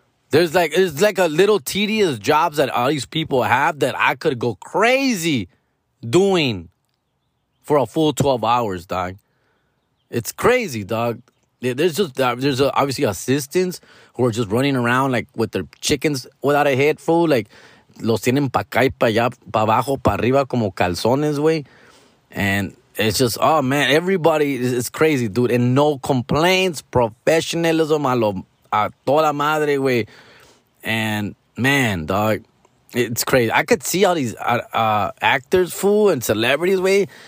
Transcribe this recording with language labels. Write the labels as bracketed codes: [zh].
[en] There's like a little tedious jobs that all these people have that I could go crazy doing for a full 12 hours, dog. It's crazy, dog. There's obviously assistants who are just running around like with their chickens without a head, fool. [es] Like, los tienen pa' acá y pa' allá, pa' abajo, pa' arriba, como calzones, güey. [en] And it's just, oh, man, everybody is crazy, dude. And no complaints, professionalism, [es] a toda madre, güey. [en] And, man, dog, it's crazy. I could see all these actors, fool, and celebrities, güey.